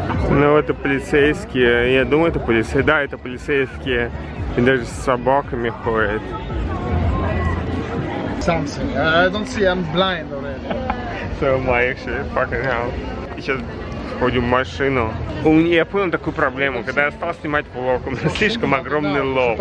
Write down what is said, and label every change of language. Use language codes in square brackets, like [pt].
[ru] Ну, это полицейские, я думаю, это полицейские, да, это полицейские, и даже с собаками ходят. [en] Something. I don't see, I'm blind already. So am I actually, fucking hell. [ru] Сейчас входим в машину. Я понял такую проблему, когда я стал снимать влог, у меня слишком огромный лоб.